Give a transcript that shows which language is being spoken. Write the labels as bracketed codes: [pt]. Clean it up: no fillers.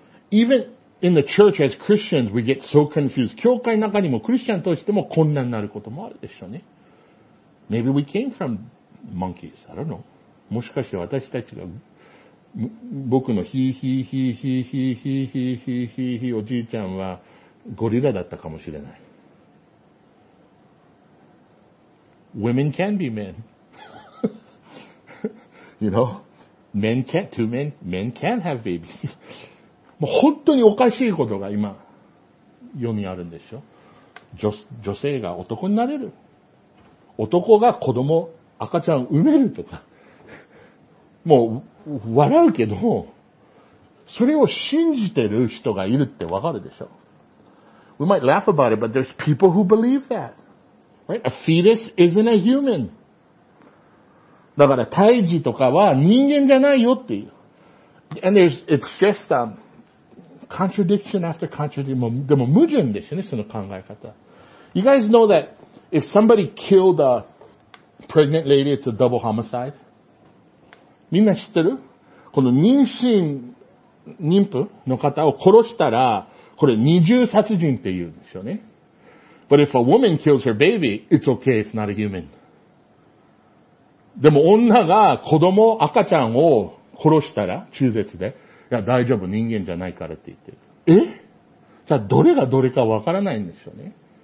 [en] Even in the church as Christians, we get so confused. [ja] 教会の中にもクリスチャンとしても困難になることもあるでしょうね。 [en] Maybe we came from monkeys. I don't know. [ja] もしかして私たちが、僕のヒーヒーヒーヒーヒーヒーヒーヒーヒーヒーおじいちゃんはゴリラだったかもしれない。 [en] Women can be men. You know? Men can, two men, men can have babies. [ja] もう本当におかしいことが今世にあるんでしょ。女性が男になれる、男が子供赤ちゃん産めるとか、もう笑うけど、それを信じてる人がいるってわかるでしょ。 [en] We might laugh about it, but there's people who believe that, right? A fetus isn't a human. [ja] だから胎児とかは人間じゃないよっていう。 [en] And there's it's just contradiction after contradiction. [ja] でも矛盾ですよね、その考え方。 [en] You guys know that if somebody killed a pregnant lady, it's a double homicide? [ja] みんな知ってる? この妊娠妊婦の方を殺したら、これ二重殺人って言うんですよね。 [en] But if a woman kills her baby, it's okay, it's not a human. [ja] でも女が子供、赤ちゃんを殺したら、中絶で。いや大丈夫、人間じゃないからって言ってる。え?じゃあどれがどれかわからないんでしょうね。